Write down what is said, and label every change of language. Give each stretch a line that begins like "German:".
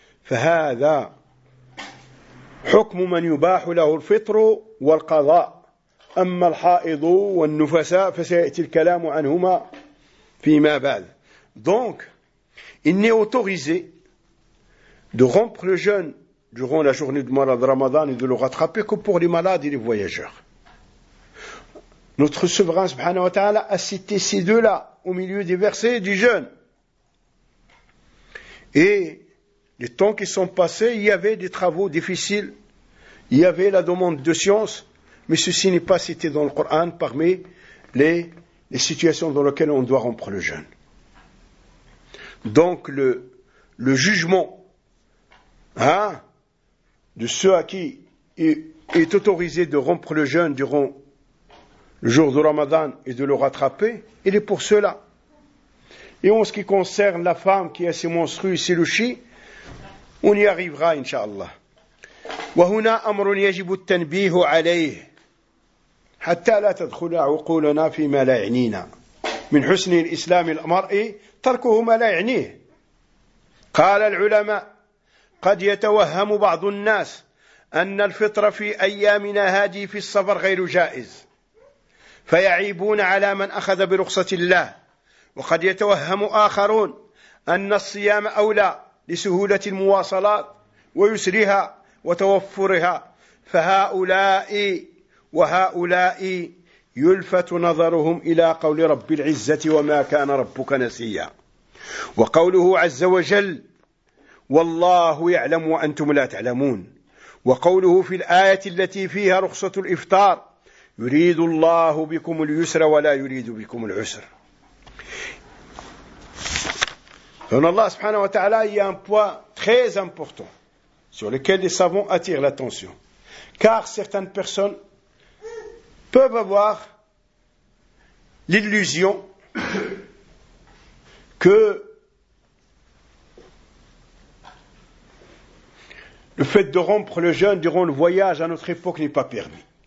Arabic: فَهَذَا حُكْمُ مَنْ يُبَاحُ لَهُ الْفِطْرُ وَالْقَضَاءُ أما الحائض والنفساء فسيأتي الكلام عنهما فيما بعد.
French: Donc, il n'est autorisé de rompre le jeûne durant la journée du mois de Ramadan et de le rattraper que pour les malades et les voyageurs. Notre souverain subhanahu wa ta'ala a cité ces deux-là au milieu des versets du jeûne. Et les temps qui sont passés, il y avait des travaux difficiles, il y avait la demande de science. Mais ceci n'est pas cité dans le Coran parmi les situations dans lesquelles on doit rompre le jeûne. Donc le jugement de ceux à qui est autorisé de rompre le jeûne durant le jour de Ramadan et de le rattraper, il est pour cela. Et en ce qui concerne la femme qui a ses menstrues et ses louchis, on y arrivera, Inch'Allah.
Arabic: وَهُنَا أَمْرٌ يَجِبُ التَّنْبِيهُ عَلَيْهِ حتى لا تدخل عقولنا فيما لا يعنينا من حسن الإسلام المرء تركه ما لا يعنيه. قال العلماء قد يتوهم بعض الناس أن الفطر في أيامنا هذه في السفر غير جائز فيعيبون على من أخذ برخصة الله، وقد يتوهم آخرون أن الصيام أولى لسهولة المواصلات ويسرها وتوفرها، فهؤلاء وهؤلاء يلفت نظرهم إلى قول رب العزة وما كان ربك نسيا، وقوله عز وجل والله يعلم وأنتم لا تعلمون، وقوله في الآية التي فيها رخصة الإفطار يريد الله بكم اليسر ولا يريد بكم العسر. فإن الله سبحانه وتعالى هي
French: un point très important sur lequel les savants attirent l'attention, car certaines personnes peuvent avoir l'illusion que le fait de rompre le jeûne durant le voyage à notre époque n'est pas permis.